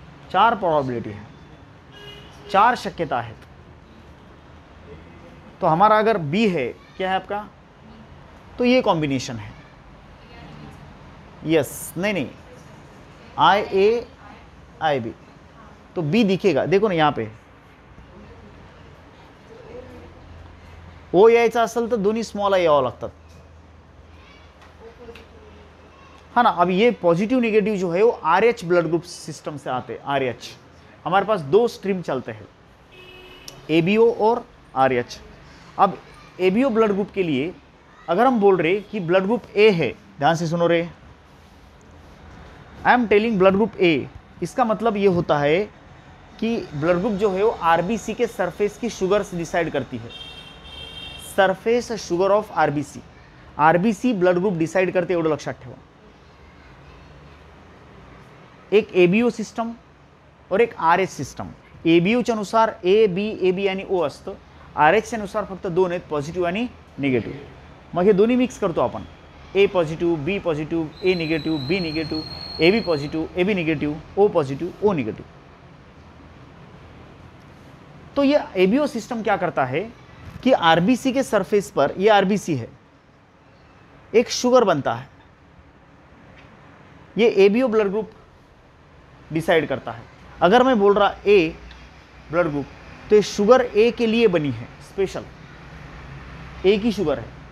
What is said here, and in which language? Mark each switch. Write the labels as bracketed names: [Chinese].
[Hindi] चार प्रोबेबिलिटी है, चार शक्यता है. तो हमारा अगर बी है, क्या है आपका, तो ये कॉम्बिनेशन है. यस नहीं नहीं आई ए आई बी तो बी दिखेगा. [Marathi] देखो ना यहाँ पे ओ यायचा असेल तर दोन्ही स्मॉल आय यावं लागतात, हा ना. [Hindi] अब ये पॉझिटिव्ह निगेटिव्ह जो है वो R H blood group system से आते. आर एच हमारे पास दो स्ट्रीम चलते हैं, ए बी ओ और आर एच. अब A B O blood group के लिए अगर हम बोल रहे कि ब्लड ग्रुप ए है, ध्यान से सुनो रे, [English] I am telling blood group A, [Hindi] इसका मतलब ये होता है कि ब्लड ग्रुप जो है वो आर बी सी के सरफेस की शुगर से डिसाइड करती है. [English] surface sugar of RBC, [Marathi] RBC blood group decide करते, एवढं लक्षात ठेवा. [Hindi] एक एबीओ सिस्टम और एक आरएच सिस्टम. [Marathi] एबीओच्या अनुसार ए बी ए बी आणि ओ असतं, आरएचच्या अनुसार फक्त दोन आहेत, पॉझिटिव्ह आणि निगेटिव्ह. मग हे दोन्ही मिक्स करतो आपण, ए positive B positive, A negative B negative, A B positive A B negative, O positive O negative. [Hindi] तो ये एबीओ सिस्टम क्या करता है कि आरबीसी के सरफेस पर, ये आरबीसी है, एक शुगर बनता है. ये एबीओ ब्लड ग्रुप डिसाइड करता है. अगर मैं बोल रहा ए ब्लड ग्रुप तो ये शुगर ए के लिए बनी है, स्पेशल ए की शुगर है.